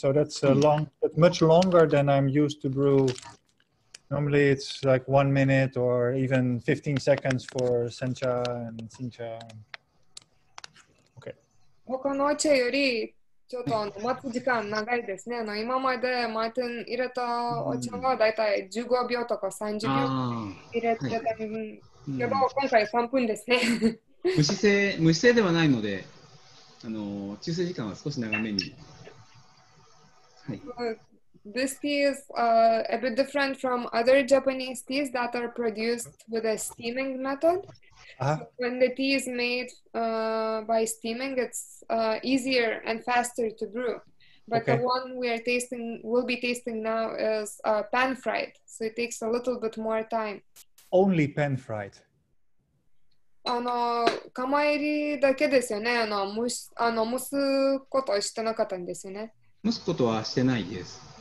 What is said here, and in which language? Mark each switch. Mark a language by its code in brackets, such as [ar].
[en] So that's long, but much longer than I'm used to brew. Normally it's like 1 minute or even 15 seconds for Sencha and Sincha. Okay. [ja] 他のお茶よりちょっと待つ時間長いですね。今までマーティン入れたお茶はだいたい15秒とか30秒入れてた分。けど今回3分ですね。蒸し製ではないので、抽選時間は少し長めに。はい。 [en] This tea is a bit different from other Japanese teas that are produced with a steaming method. So when the tea is made by steaming, it's easier and faster to brew. But okay. The one we are tasting, will be tasting now is pan-fried. So it takes a little bit more time. Only pan-fried? [ja] あの、釜入りだけですよね。蒸すことはしてなかったんですよね。蒸すことはしてないです。